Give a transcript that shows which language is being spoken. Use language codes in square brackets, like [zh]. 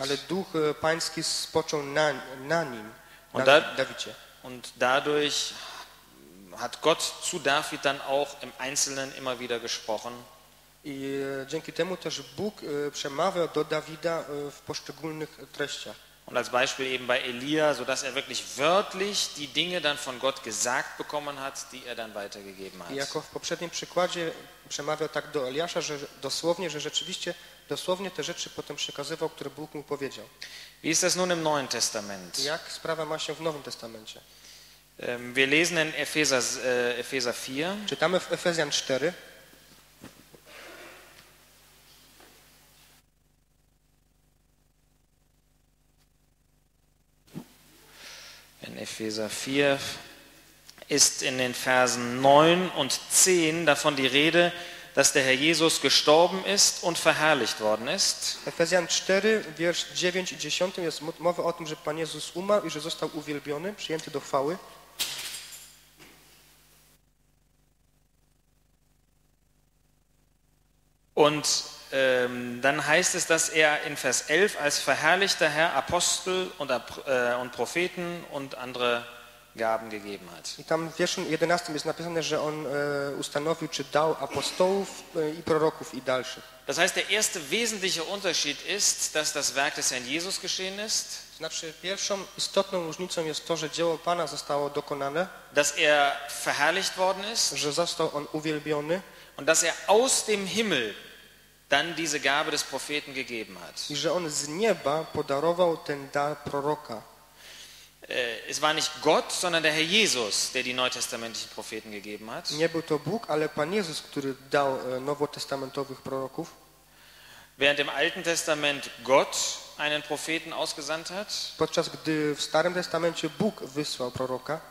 [pl] Ale Duch Pański spoczął na nim, na Dawidzie. [de] Und dadurch hat Gott zu David dann auch im Einzelnen immer wieder gesprochen. [pl] I dzięki temu też Bóg przemawiał do Dawida w poszczególnych treściach. [de] Und als Beispiel eben bei Elia, sodass er wirklich wörtlich die Dinge dann von Gott gesagt bekommen hat, die er dann weitergegeben hat. [pl] I jako w poprzednim przykładzie przemawiał tak do Eliasza, że dosłownie, że rzeczywiście dosłownie te rzeczy potem przekazywał, które Bóg mu powiedział. [de] Wie ist das nun im Neuen Testament? [pl] Jak sprawa ma się w Nowym Testamencie? [de] Wir lesen in Epheser 4. [pl] Czytamy w Efezjan 4. [de] In In Epheser 4 ist in den Versen 9 und 10 davon die Rede, dass der Herr Jesus gestorben ist und verherrlicht worden ist. [pl] Efezjan 4, wiersz 9 i 10 jest mowa o tym, że Pan Jezus umarł i że został uwielbiony, przyjęty do chwały. [de] Und dann heißt es, dass er in Vers 11 als verherrlichter Herr Apostel und Propheten und andere Gaben gegeben hat. [pl] I tam w wierszu 11 jest napisane, że on ustanowił czy dał apostołów i proroków i dalszych. [de] Das heißt, der erste wesentliche Unterschied ist, dass das Werk des Herrn Jesus geschehen ist. [pl] Znaczy, pierwszą istotną różnicą jest to, że dzieło Pana zostało dokonane. [de] Dass er verherrlicht worden ist. [pl] Że został on uwielbiony. [de] Und dass er aus dem Himmel dann diese Gabe des Propheten gegeben hat. [pl] I że on z nieba podarował ten dar proroka. [de] Es war nicht Gott, sondern der Herr Jesus, der die neutestamentlichen Propheten gegeben hat. [pl] Nie był to Bóg, ale Pan Jezus, który dał nowotestamentowych proroków. [de] Während im Alten Testament Gott einen Propheten ausgesandt hat. [pl] Podczas gdy w Starym Testamencie Bóg wysłał proroka.